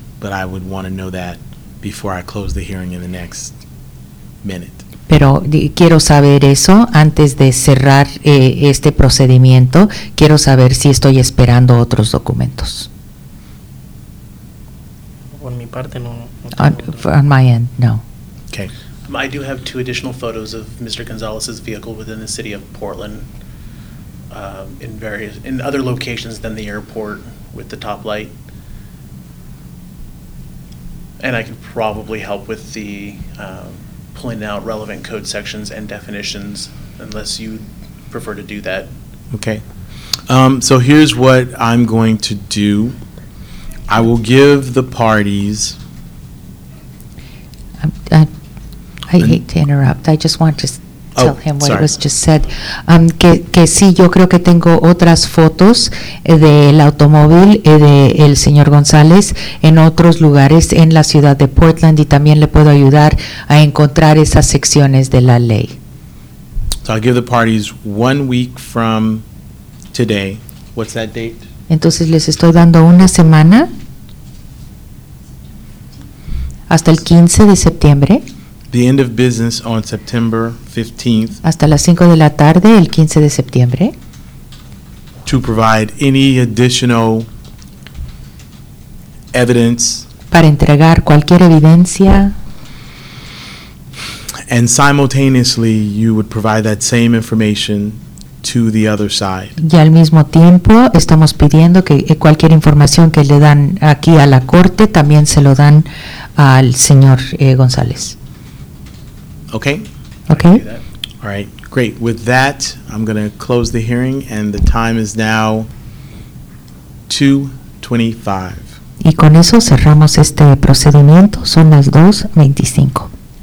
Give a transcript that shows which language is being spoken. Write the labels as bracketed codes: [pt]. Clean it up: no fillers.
[en] But I would want to know that before I close the hearing in the next minute. [es] Pero quiero saber eso antes de cerrar este procedimiento. Quiero saber si estoy esperando otros documentos. [en] On my part, no. On my end, no. Okay. I do have two additional photos of Mr. Gonzalez's vehicle within the city of Portland, in other locations than the airport with the top light. And I could probably help with the pulling out relevant code sections and definitions, unless you prefer to do that. Okay. So here's what I'm going to do. I will give the parties. I hate to interrupt. I just want to tell him what was just said. [es] Que sí, yo creo que tengo otras fotos del automóvil del señor González en otros lugares en la ciudad de Portland, y también le puedo ayudar a encontrar esas secciones de la ley. [en] So I'll give the parties 1 week from today. What's that date? [es] Entonces les estoy dando una semana hasta el 15 de septiembre. [en] The end of business on September 15th. [es] Hasta las 5 de la tarde, el 15 de septiembre. [en] To provide any additional evidence. [es] Para entregar cualquier evidencia. [en] And simultaneously, you would provide that same information to the other side. [es] Y al mismo tiempo, estamos pidiendo que cualquier información que le dan aquí a la corte, también se lo dan al señor González. [en] Okay. Okay. All right. Great. With that, I'm going to close the hearing, and the time is now 2:25. [es] Y con eso cerramos este procedimiento. Son las 2:25.